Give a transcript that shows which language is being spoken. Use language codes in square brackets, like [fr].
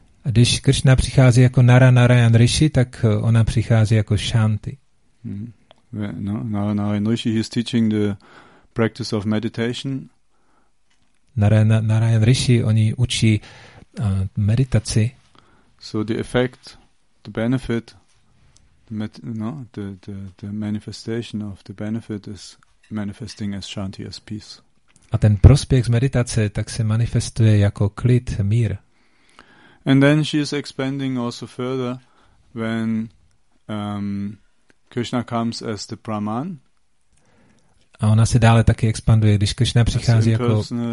[cs] A když Krishna přichází jako Narayan Rishi, tak ona přichází jako Shanti. [en] Narayan Rishi, he is teaching the practice of meditation. [cs] Narayan Rishi, oni učí meditaci. [en] So the effect, the benefit, the manifestation of the benefit is manifesting as shanti, as peace. [cs] A ten prospěch z meditace tak se manifestuje jako klid, mír. [en] And then she is expanding also further when Krishna comes as the Brahman. [cs] A ona se dále taky expanduje, když Krishna přichází jako